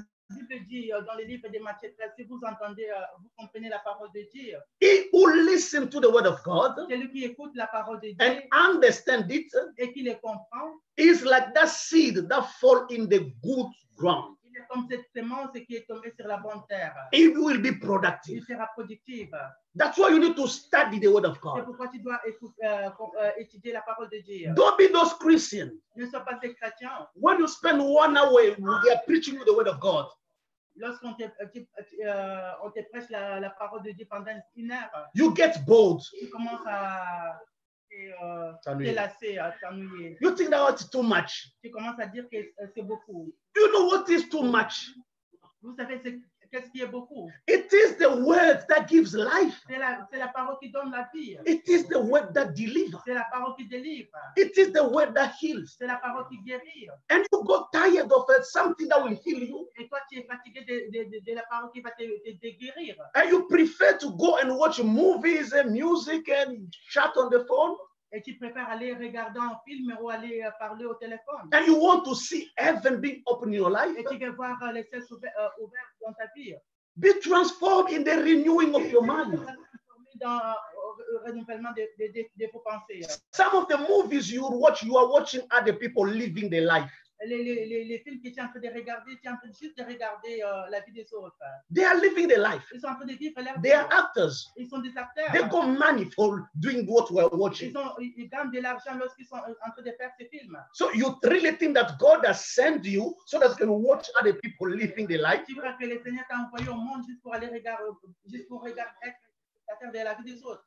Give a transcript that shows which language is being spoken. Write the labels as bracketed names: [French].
[French] La Bible dit dans le livre de Matthieu 13, si vous entendez, vous comprenez la parole de Dieu. [English] He who listen to the word of God. [French] C'est lui qui écoute la parole de Dieu. [English] And understand it. [French] Et qui le comprend. [English] Is like that seed that fall in the good ground. [French] Il est comme cette semence qui est tombée sur la bonne terre. [English] It will be productive. [French] Il sera productif. [English] That's why you need to study the word of God. [French] C'est pourquoi tu dois étudier la parole de Dieu. [English] Don't be those Christians. [French] Ne sois pas des chrétiens. [English] When you spend 1 hour, they are preaching you the word of God. [French] Lorsqu'on te prêche la parole de Dieu pendant 1 heure, [English] you get bored. [French] Tu commences à t'ennuyer. [English] You think that it's too much. [French] Tu commences à dire que c'est beaucoup. [English] Do you know what is too much? [French] Vous savez qu'est-ce qui est beaucoup? [English] It is the word that gives life. [French] C'est la parole qui donne la vie. [English] It is the word that delivers. [French] C'est la parole qui délivre. [English] It is the word that heals. [French] C'est la parole qui guérit. [English] And you got tired of it, something that will heal you. [French] Et toi, tu es fatigué de la parole qui va te guérir. [English] And you prefer to go and watch movies and music and chat on the phone. [French] Et tu préfères aller regarder un film ou aller parler au téléphone. [English] And you want to see heaven being open in your life. [French] Et tu veux voir les cieux ouverts dans ta vie. [English] Be transformed in the renewing of your mind. [French] Dans le renouvellement de vos pensées. [English] Some of the movies you are watching other people living their life. [French] Les films que tu es en train de regarder, tu es en train juste de regarder la vie des autres. [English] They are living their life. [French] Ils sont en train de vivre leur vie. [English] They are actors. [French] Ils sont des acteurs. [English] They got money for doing what we are watching. [French] Ils gagnent de l'argent lorsqu'ils sont en train de faire ces films. [English] So you really think that God has sent you so that you can watch other people living their life? [French] Tu crois que le Seigneur t'a envoyé au monde juste pour regarder de la vie des autres?